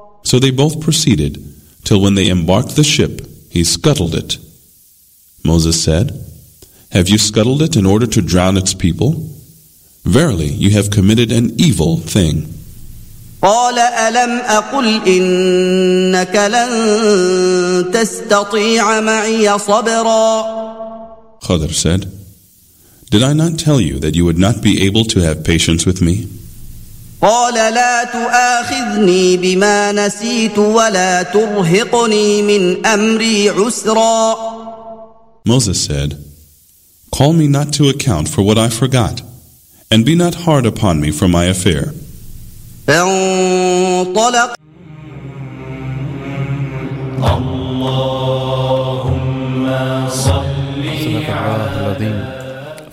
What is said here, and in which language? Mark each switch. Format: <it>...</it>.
<en>So they both proceeded till when they embarked the ship, he scuttled it. Moses said, Have you scuttled it in order to drown its people? Verily, you have committed an evil thing.</en> <ar>قال ألم أقل إنك لن تستطيع معي صبرا.</ar> <en>Khadr said, Did I not tell you that you would not be able to have patience with me?</en> <ar>قال لا تؤاخذني بما نسيت ولا ترهقني من أمري عسرا.</ar> <en>Moses said, Call me not to account for what I forgot, and be not hard upon me for my affair.</en> <ar>فانطلق اللهم صل على الذين.</ar>